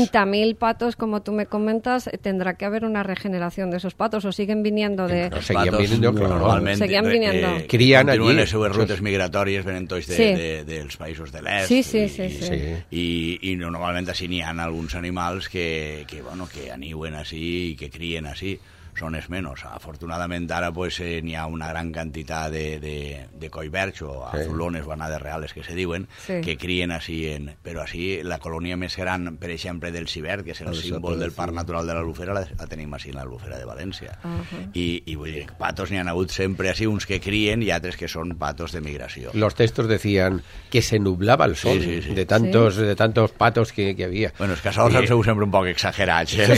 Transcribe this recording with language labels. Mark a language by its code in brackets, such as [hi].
[es] 30.000 patos, como tú me comentas, tendrá que haber una regeneración de esos patos, o siguen viniendo de... No, seguían viniendo, normalmente. Seguían viniendo. Crían allí. Continúan esos rutas migratorias, vienen todos de los países del este. Sí. Y normalmente así n'hi han algunos animales que, bueno, que aniuen así y que críen así. [ca] Són els menys. Afortunadament ara pues, n'hi ha una gran quantitat de collverds o azulones vanades reales que se diuen, que crien així, però així la colònia més gran, per exemple, del civert, que és el símbol del parc natural de l'Albufera, la tenim així en l'Albufera de València. Uh-huh. I vull dir, patos n'hi ha hagut sempre així, uns que crien i altres que són patos de migració. [es] Los textos decían que se nublava el sol de tantos, de tantos patos que havia. [ca] Bueno, els casals han sigut sempre un poc exagerats.